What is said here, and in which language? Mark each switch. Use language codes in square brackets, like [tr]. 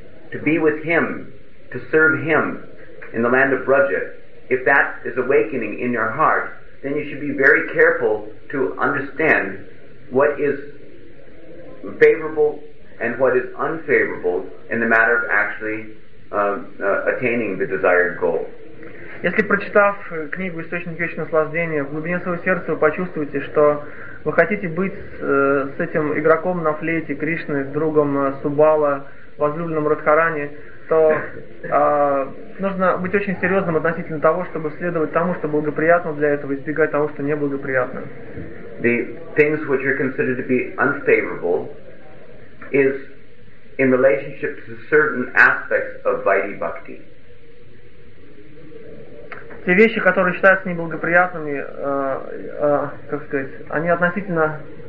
[en] to be with him, to serve him in the land of Braja, if that is awakening in your heart, then you should be very careful to understand what is favorable and what is unfavorable in the matter of actually attaining the desired goal. [ru] Если прочитав книгу «Источник вечного наслаждения», в глубине своего сердца вы почувствуете, что вы хотите быть с этим игроком на флейте Кришны, другом Субала, возлюбленным Радхарани, то нужно быть очень серьезным относительно того, чтобы следовать тому, что благоприятно для этого, избегать того, что неблагоприятно. [en] The things which are considered to be unfavorable is in relationship to certain aspects of Vaidhi Bhakti. [ru] Те вещи, которые считаются неблагоприятными, как сказать, они относительно...